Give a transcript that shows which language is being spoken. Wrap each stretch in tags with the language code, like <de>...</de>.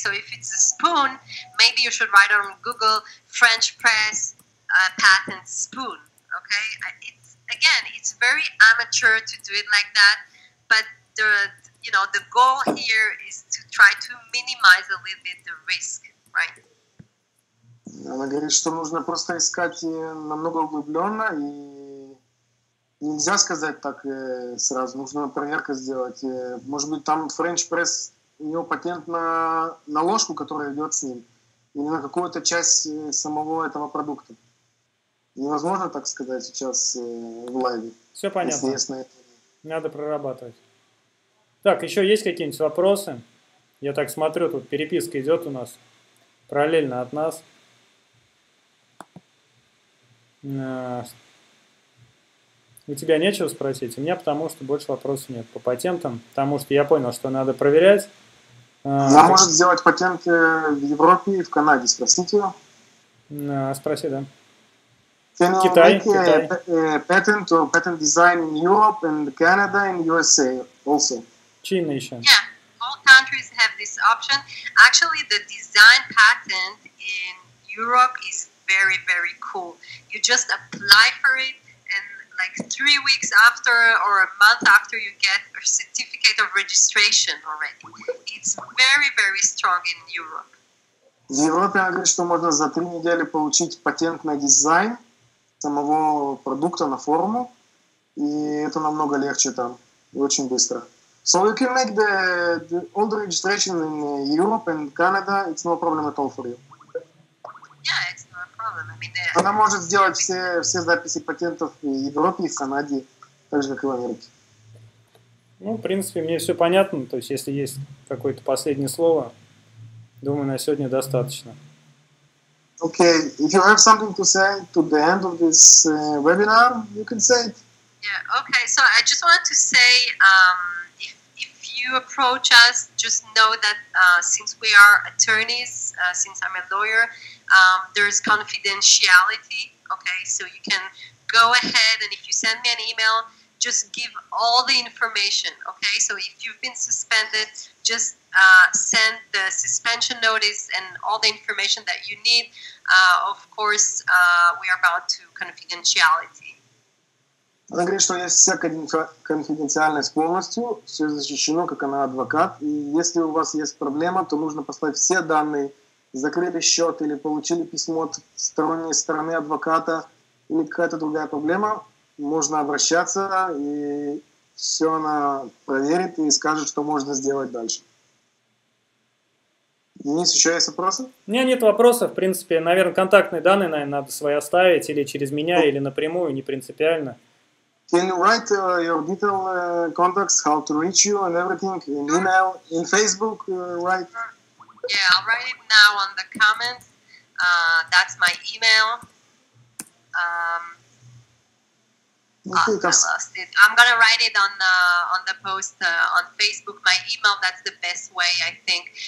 <en>So if it's a spoon, maybe you should write on Google French press patent spoon, okay? Again, it's very amateur to do it like that, but the goal here is to try to minimize a little bit the risk, right?</en> <ru>Она говорит, что нужно просто искать намного углубленно, и нельзя сказать так сразу, нужно проверку сделать. Может быть, там French Press, у него патент на ложку, которая идет с ним, или на какую-то часть самого этого продукта. Невозможно так сказать сейчас в лайве. Все понятно. Надо прорабатывать. Так, еще есть какие-нибудь вопросы? Я так смотрю, тут переписка идет у нас параллельно от нас. У тебя нечего спросить? У меня потому что больше вопросов нет по патентам. Потому что я понял, что надо проверять. Она может сделать патенты в Европе и в Канаде. Спросите ее. Спроси, да.</ru> <en>Can you</en> <ru>Китай,</ru> <en>make a patent or patent design in Europe and Canada and USA also? China nation. Yeah, all countries have this option. Actually, the design patent in Europe is very, very cool. You just apply for it and like 3 weeks after or a month after you get a certificate of registration already. It's very, very strong in Europe. В Европе, она говорит, что можно за 3 недели получить патент на дизайн самого продукта на форму, и это намного легче там и очень быстро. So you can make the all the registration in Europe and Canada, it's no problem at all for you. Yeah, it's no problem. I mean,</en> <ru>она может сделать все записи патентов в Европе и в Канаде, так же как и в Америке. Ну, в принципе, мне все понятно. То есть, если есть какое-то последнее слово, думаю, на сегодня достаточно.</ru> <en>Okay, if you have something to say to the end of this webinar, you can say it. Yeah, okay, so I just want to say, if you approach us, just know that since we are attorneys, since I'm a lawyer, there's confidentiality, okay, so you can go ahead, and if you send me an email, just give all the information, okay? So if you've been suspended, just send the suspension notice and all the information that you need. Of course, we are bound to confidentiality.</en> <ru>Она говорит, что у нее вся конфиденциальность полностью, все защищено, как она адвокат, и если у вас есть проблема, то нужно послать все данные, закрыли счет или получили письмо от сторонней стороны адвоката, или какая-то другая проблема, можно обращаться, и все она проверит и скажет, что можно сделать дальше. Денис, еще есть вопросы? Нет вопросов, в принципе, наверное, контактные данные, наверное, надо свои оставить, или через меня, или напрямую, не принципиально.</ru> <en>Can you write your detailed contacts, how to reach you and everything, in email, in Facebook, write? Yeah, I'll write it now on the comments. That's my email. I'm going to write it on the post on Facebook, my email, that's the best way, I think.</en>